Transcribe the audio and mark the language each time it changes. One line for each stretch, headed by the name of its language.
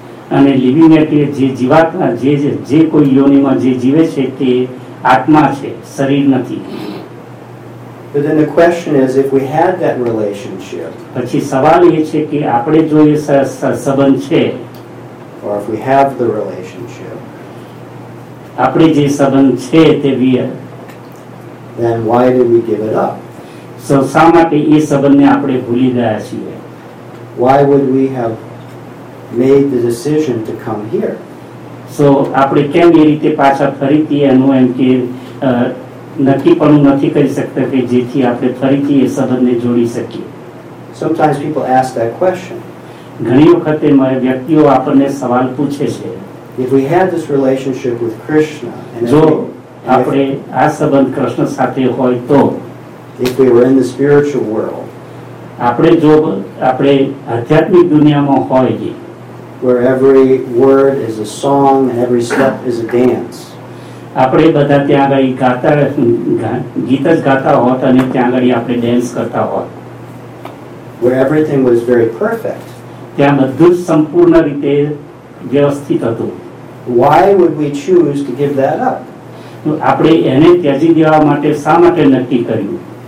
Gujarati: અને લિવિંગ એટલે જે જીવાત્મા જે કોઈ યોનિમાં જે જીવે છે તે આત્મા છે, શરીર નથી.
English: But then the question is, if we had that relationship,
Gujarati: પછી સવાલ એ છે કે આપણે જો એ સંબંધ છે,
English: or if we have the relationship,
Gujarati: આપણે જે સંબંધ છે તે with,
English: then why did we give it up?
Gujarati: So શા માટે એ સંબંધને આપણે ભૂલી ગયા છીએ?
English: Why would we have made the decision to come here?
Gujarati: So આપણે કેમ એ રીતે પાછા ફરીથી એનો એમ કે નક્કી પણ નથી કરી શકતા કે જેથી આપણે ફરીથી એ સંબંધને જોડી શકીએ.
English: Sometimes people ask that question.
Gujarati: ઘણી વખતે મારે વ્યક્તિઓ આપણને સવાલ પૂછે છે.
English: If we had this relationship with Krishna and
Gujarati: જો આપણે આ સંબંધ કૃષ્ણ સાથે હોય તો
English: if we were in the spiritual world
Gujarati: આપણે જો આપણે આધ્યાત્મિક દુનિયામાં હોઈએ
English: where every word is a song and every step is a dance
Gujarati: આપણે બધા ત્યાં ગઈ ગાતા ગીત જ ગાતા હોત અને ત્યાં ગઈ આપણે ડાન્સ કરતા હોત
English: where everything was very perfect
Gujarati: ત્યાં બધું સંપૂર્ણ રીતે વ્યવસ્થિત હતું
English: why would we choose to give that up
Gujarati: આપણે એને ત્યજી દેવા માટે શા માટે નક્કી કર્યું